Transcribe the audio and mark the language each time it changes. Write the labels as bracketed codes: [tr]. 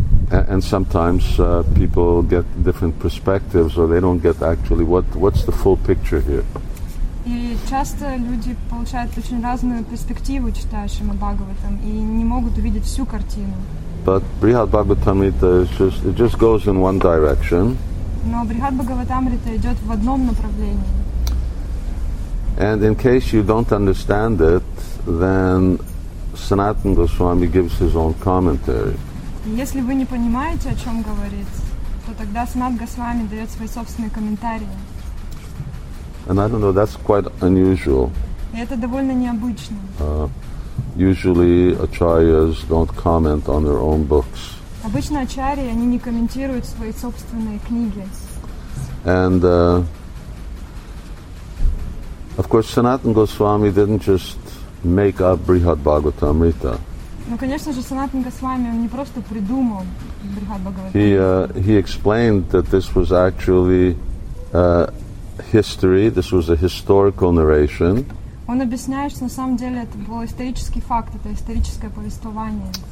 [en] And sometimes people get different perspectives, or they don't get actually what's the full picture here. [ru] И часто люди получают очень разную перспективу, читающим о Бхагаватам, и не могут увидеть всю картину. [en] But Brihadbhagavatamrita just goes in one direction. [ru] Но Брихадбхагаватамрита идет в одном направлении. [en] And in case you don't understand it, then Sanatana Goswami gives his own commentary. [ru] Если вы не понимаете, о чем говорит, то тогда Санат Госвами дает свои собственные комментарии. [en] And I don't know, that's quite unusual. [ru] И это довольно необычно. [en] Usually acharyas don't comment on their own books. [ru] Обычно ачарьи, они не комментируют свои собственные книги. [en] And of course, Sanatana Goswami didn't just make up Brihadbhagavatamrita. [ru] Ну, конечно же, Санатана Госвами, он не просто придумал Брихадбхагаватамриту. [en] He explained that this was actually history, this was a historical narration. [ru] Он объясняет, что на самом деле это был исторический факт, это историческое повествование.